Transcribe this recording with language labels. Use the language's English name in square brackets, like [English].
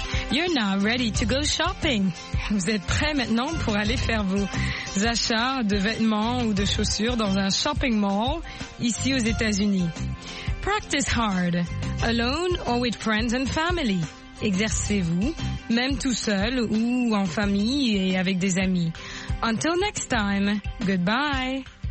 [English] You're now ready to go shopping. [French] Vous êtes prêts maintenant pour aller faire vos achats de vêtements ou de chaussures dans un shopping mall ici aux États-Unis. [English] Practice hard, alone or with friends and family. [French] Exercez-vous, même tout seul ou en famille et avec des amis. [English] Until next time, goodbye.